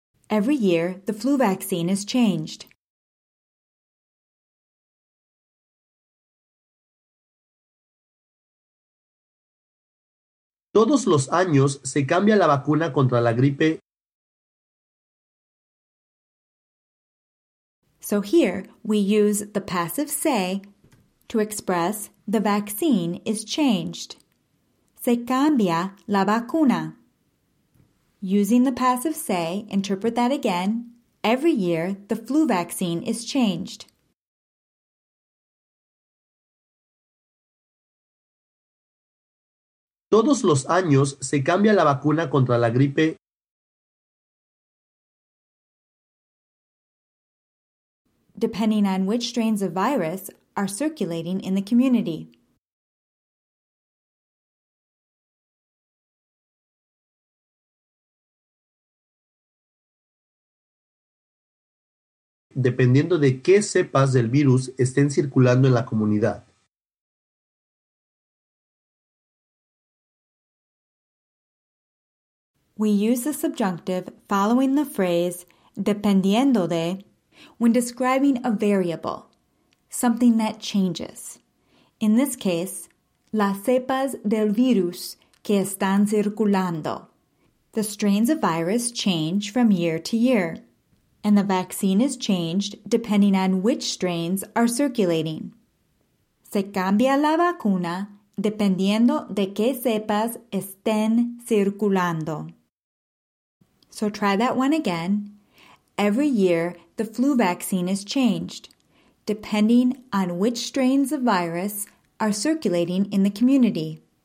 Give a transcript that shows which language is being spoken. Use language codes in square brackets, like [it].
[en] Every year, the flu vaccine is changed. [es] Todos los años se cambia la vacuna contra la gripe. [en] So here, we use the passive se to express the vaccine is changed. [es] Se cambia la vacuna. [en] Using the passive se, interpret that again. Every year, the flu vaccine is changed. [es] Todos los años se cambia la vacuna contra la gripe. [en] Depending on which strains of virus are circulating in the community. [es] Dependiendo de qué cepas del virus estén circulando en la comunidad. [en] We use the subjunctive following the phrase [es] dependiendo de [en] when describing a variable, something that changes. In this case, [es] las cepas del virus que están circulando. [en] The strains of virus change from year to year, and the vaccine is changed depending on which strains are circulating. [es] Se cambia la vacuna dependiendo de qué cepas estén circulando. [en] So try that one again. Every year, the flu vaccine is changed, depending on which strains of virus are circulating in the community.